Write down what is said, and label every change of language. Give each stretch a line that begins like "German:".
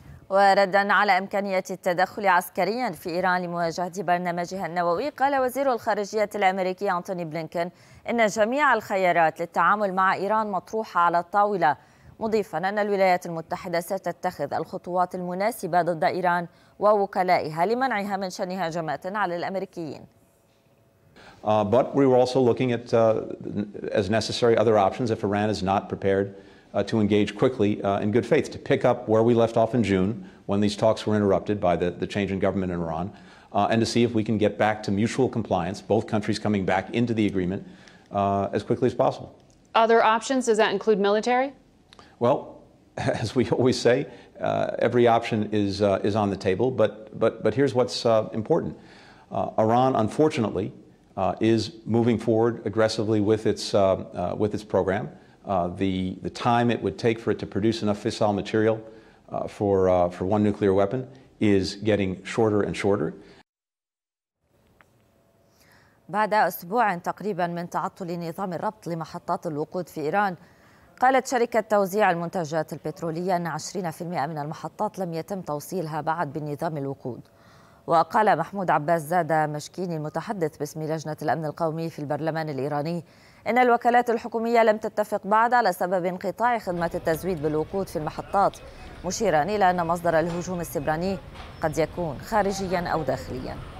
Arabic: وردا على إمكانية التدخل عسكريا في إيران لمواجهة برنامجها النووي، قال وزير الخارجية الأمريكي أنتوني بلينكن إن جميع الخيارات للتعامل مع إيران مطروحة على الطاولة، مضيفا أن الولايات المتحدة ستتخذ الخطوات المناسبة ضد إيران ووكلائها لمنعها من شن هجمات على الأمريكيين.
English: But we were also looking at, as necessary, other options if Iran is not prepared to engage quickly in good faith, to pick up where we left off in June when these talks were interrupted by the change in government in Iran, and to see if we can get back to mutual compliance, both countries coming back into the agreement as quickly as possible. Other options, does that include military? Well, as we always say, every option is on the table, but here's what's important. Iran, unfortunately, is moving forward aggressively with its program. The time it would take for it to produce enough fissile material for one nuclear weapon is getting shorter and shorter.
Arabic: بعد أسبوع تقريبا من تعطل نظام الربط لمحطات الوقود في إيران، قالت شركة توزيع المنتجات البترولية أن 20% من المحطات لم يتم توصيلها بعد بنظام الوقود. وقال محمود عباس زاده مشكيني المتحدث باسم لجنة الأمن القومي في البرلمان الإيراني إن الوكالات الحكومية لم تتفق بعد على سبب انقطاع خدمة التزويد بالوقود في المحطات، مشيرا إلى أن مصدر الهجوم السبراني قد يكون خارجيا أو داخليا.